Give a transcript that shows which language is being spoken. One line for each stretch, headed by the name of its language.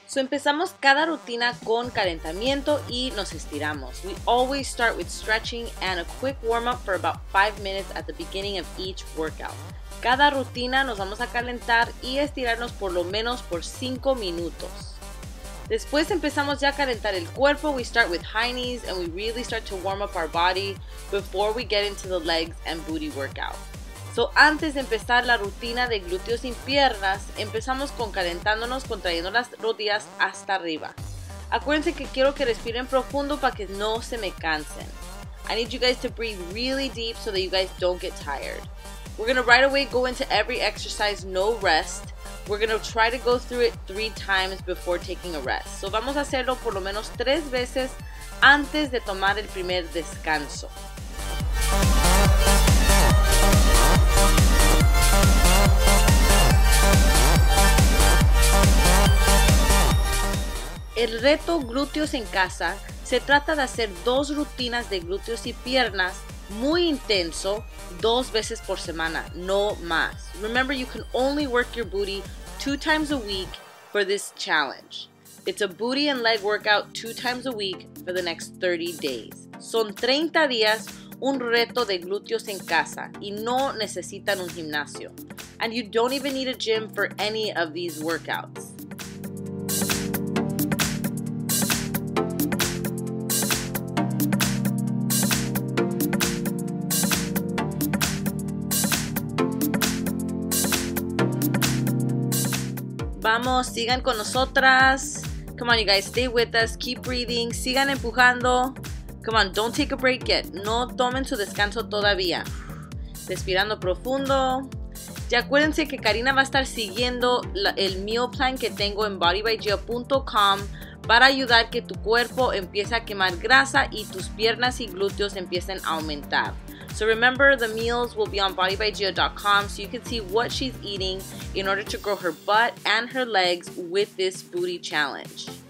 Spanish: So empezamos cada rutina con calentamiento y nos estiramos.
English: We always start with stretching and a quick warm-up for about 5 minutes at the beginning of each workout.
Spanish: Cada rutina nos vamos a calentar y estirarnos por lo menos por 5 minutos. Después empezamos ya a calentar el cuerpo.
English: We start with high knees and we really start to warm up our body before we get into the legs and booty workout.
Spanish: So antes de empezar la rutina de glúteos sin piernas, empezamos con calentándonos contrayendo las rodillas hasta arriba. Acuérdense que quiero que respiren profundo para que no se me cansen.
English: I need you guys to breathe really deep so that you guys don't get tired. We're gonna right away go into every exercise, no rest. We're gonna try to go through it 3 times before taking a rest.
Spanish: So vamos a hacerlo por lo menos 3 veces antes de tomar el primer descanso. El reto glúteos en casa se trata de hacer 2 rutinas de glúteos y piernas muy intenso 2 veces por semana, no más.
English: Remember, you can only work your booty 2 times a week for this challenge. It's a booty and leg workout 2 times a week for the next 30 days.
Spanish: Son 30 días un reto de glúteos en casa y no necesitan un gimnasio.
English: And you don't even need a gym for any of these workouts.
Spanish: Vamos, sigan con nosotras.
English: Come on, you guys, stay with us. Keep breathing.
Spanish: Sigan empujando.
English: Come on, don't take a break yet.
Spanish: No tomen su descanso todavía. Respirando profundo. Y acuérdense que Karina va a estar siguiendo el meal plan que tengo en bodybygio.com para ayudar que tu cuerpo empiece a quemar grasa y tus piernas y glúteos empiecen a aumentar.
English: So remember, the meals will be on bodybygio.com so you can see what she's eating in order to grow her butt and her legs with this booty challenge.